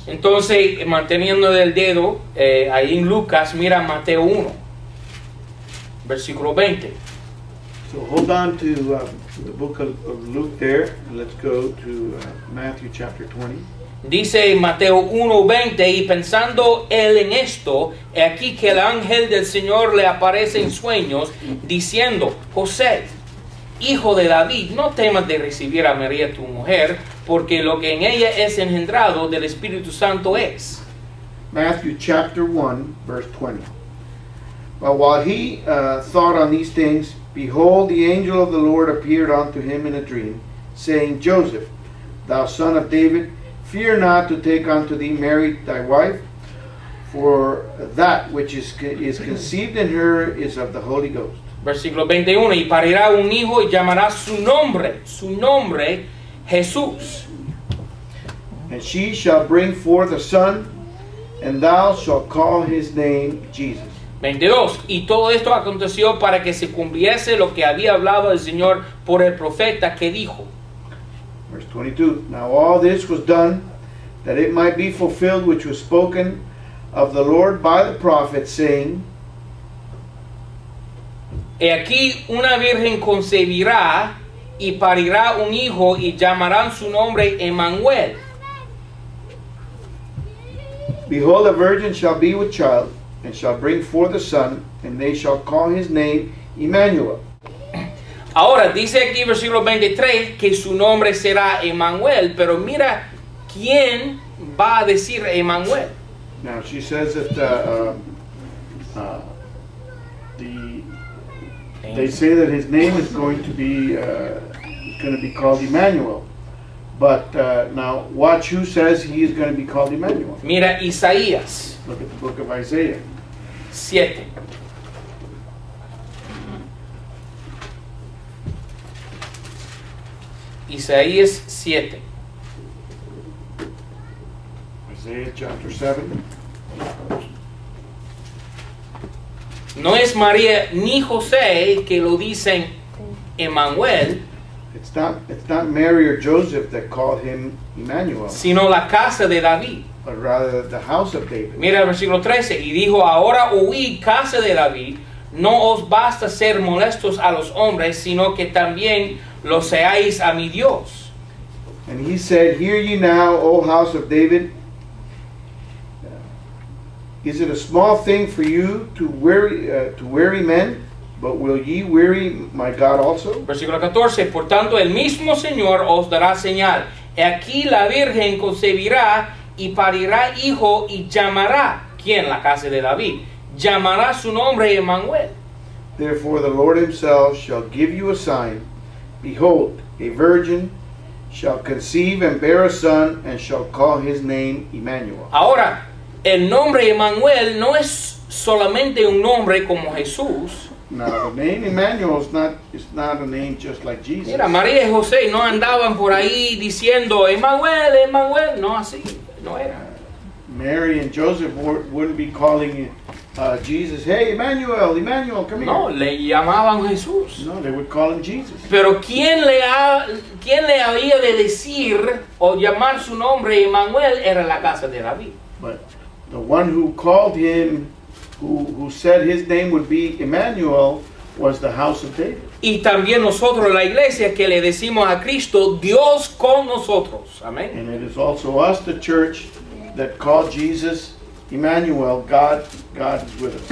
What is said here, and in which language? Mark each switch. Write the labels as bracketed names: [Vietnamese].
[Spanish] Entonces, manteniendo del dedo ahí en Lucas, mira Mateo 1, versículo 20. [English] So hold on to the book of Luke there. Let's go to Matthew chapter 20. [Spanish] Dice Mateo 1:20, y pensando él en esto, aquí que el ángel del Señor le aparece en sueños, diciendo: José, hijo de David, no temas de recibir a María tu mujer, porque lo que en ella es engendrado del Espíritu Santo es. [English] Matthew chapter 1, verse 20. But while he thought on these things, behold, the angel of the Lord appeared unto him in a dream, saying, Joseph, thou son of David, fear not to take unto thee Mary thy wife, for that which is conceived in her is of the Holy Ghost. [Spanish] Versículo 21, y parirá un hijo y llamará su nombre Jesús. [English] And she shall bring forth a son, and thou shalt call his name Jesus. [Spanish] 22, y todo esto aconteció para que se cumpliese lo que había hablado el Señor por el profeta que dijo. [English] Verse 22, now all this was done that it might be fulfilled which was spoken of the Lord by the prophet, saying, [Spanish] he aquí una virgen concebirá y parirá un hijo y llamarán su nombre Emmanuel. [English] Behold, a virgin shall be with child and shall bring forth a son, and they shall call his name Emmanuel. [Spanish] Ahora, dice aquí versículo 23 que su nombre será Emmanuel, pero mira quién va a decir Emmanuel. [English] Now, she says that they say that his name is going to be called Emmanuel. But now, watch who says he is going to be called Emmanuel. [Spanish] Mira Isaías. [English] Look at the book of Isaiah. 7. [Spanish] Isaías 7. [English] Isaiah chapter 7. [Spanish] No es María ni José que lo dicen Emmanuel. [English] It's not Mary or Joseph that called him Emmanuel. [Spanish] Sino la casa de David. [English] But rather the house of David. [Spanish] Mira el versículo 13. Y dijo, ahora oíd, casa de David, no os basta ser molestos a los hombres, sino que también lo seáis a mi Dios. [English] And he said, hear ye now, O house of David, is it a small thing for you to weary men? But will ye weary my God also? [Spanish] Versículo 14. Por tanto, el mismo Señor os dará señal. He aquí la virgen concebirá y parirá hijo y llamará. ¿Quién? La casa de David. Llamará su nombre Emmanuel. [English] Therefore the Lord himself shall give you a sign. Behold, a virgin shall conceive and bear a son and shall call his name Emmanuel. [Spanish] Ahora, el nombre Emmanuel no es solamente un nombre como Jesús. [English] Now, the name Emmanuel is not a name just like Jesus. [Spanish] Mira, María y José no andaban por ahí diciendo, Emmanuel, Emmanuel. No, así no era. [English] Mary and Joseph wouldn't be calling Jesus, hey, Emmanuel, Emmanuel, come [Spanish] no, No, le llamaban Jesús. [English] No, they would call him Jesus. [Spanish] Pero ¿quién le había de decir o llamar su nombre Emmanuel era la casa de David. [English] But the one who called him, who said his name would be Emmanuel, was the house of David. [Spanish] Y también nosotros, la iglesia, que le decimos a Cristo, Dios con nosotros. Amen. [English] And it is also us, the church, that call Jesus Emmanuel, God is with us.